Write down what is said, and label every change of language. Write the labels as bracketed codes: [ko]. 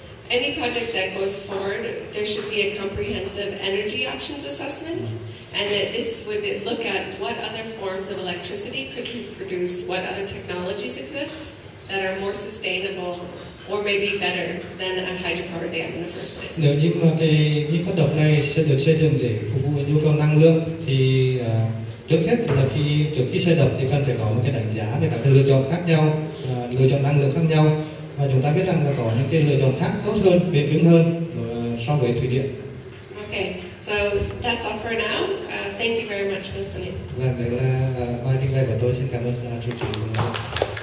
[en] Any project that goes forward, there should be a comprehensive energy options assessment, and that this would look at what other forms of electricity could be produced, what other technologies exist that are more sustainable or maybe better than a hydropower dam in the first place. [vi] Nếu như mà cái những con đập này sẽ được xây dựng để phục vụ nhu cầu năng lượng thì trước khi xây đập thì cần phải có một cái đánh giá về các cái lựa chọn khác nhau, lựa chọn năng lượng khác nhau, và chúng ta biết rằng là có những cái lựa chọn khác tốt hơn, bền vững hơn so với thủy điện. [en] Okay, so that's all for now. Thank you very much for listening. [vi] Vâng, đấy là bài trình bày của tôi. Xin cảm ơn chương trình.